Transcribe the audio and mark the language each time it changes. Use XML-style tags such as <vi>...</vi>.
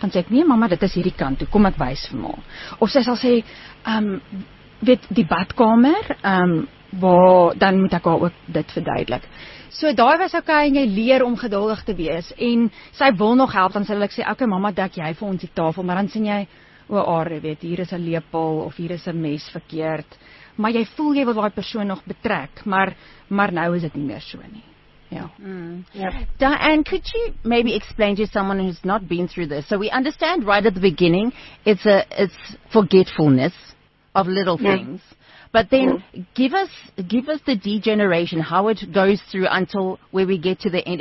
<af>Dan sê ek, nee mama, dit is hierdie kant toe, kom ek wys vir ma. Of sy sal sê, weet, die badkamer, waar, dan moet ek haar ook dit verduidelik. So, daar was okay, en jy leer om geduldig te wees, en sy wil nog help, dan sal ek sê, okay mama, dek jy vir ons die tafel, maar dan sien jy, o, are, weet, hier is een lepel of hier is een mes verkeerd. Maar jy voel jy wil die persoon nog betrek, maar nou is het nie meer so nie. Yeah. Mm. Yep.</af> <en>Diane, could you maybe explain to someone who's not been through this? So we understand right at the beginning, it's forgetfulness of little things. But then give us the degeneration, how it goes through until where we get to the end.</en>